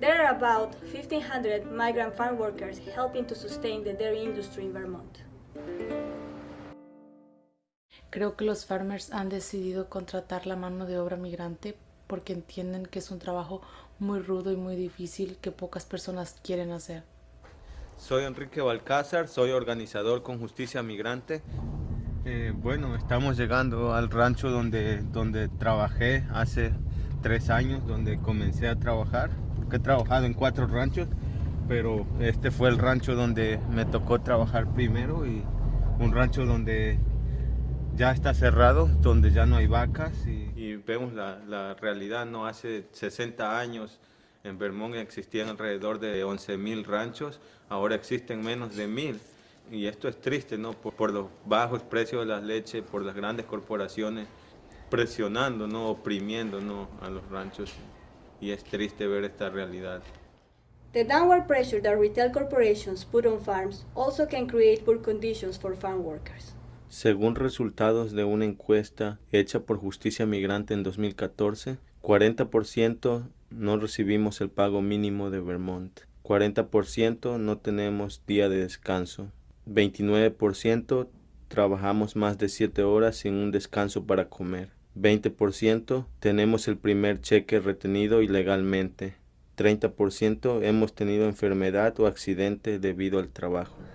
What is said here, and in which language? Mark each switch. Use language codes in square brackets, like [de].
[en] About 1,500 migrant farm workers helping to sustain the dairy industry in Vermont. [es] Creo que los farmers han decidido contratar la mano de obra migrante porque entienden que es un trabajo muy rudo y muy difícil que pocas personas quieren hacer. Soy Enrique Balcázar, soy organizador con Justicia Migrante. Bueno, estamos llegando al rancho donde trabajé hace 3 años, donde comencé a trabajar. He trabajado en 4 ranchos, pero este fue el rancho donde me tocó trabajar primero, y un rancho donde ya está cerrado, donde ya no hay vacas. Y vemos la realidad, ¿no? Hace 60 años en Vermont existían alrededor de 11,000 ranchos, ahora existen menos de 1,000. Y esto es triste, ¿no? Por los bajos precios de la leche, por las grandes corporaciones presionando, ¿no? Oprimiendo, ¿no? A los ranchos. Y es triste ver esta realidad. [en] The downward pressure that retail corporations put on farms also can create poor conditions for farm workers. [es] Según resultados de una encuesta hecha por Justicia Migrante en 2014, 40% no recibimos el pago mínimo de Vermont, 40% no tenemos día de descanso, 29% trabajamos más de 7 horas sin un descanso para comer, 20% tenemos el primer cheque retenido ilegalmente, 30% hemos tenido enfermedad o accidente debido al trabajo.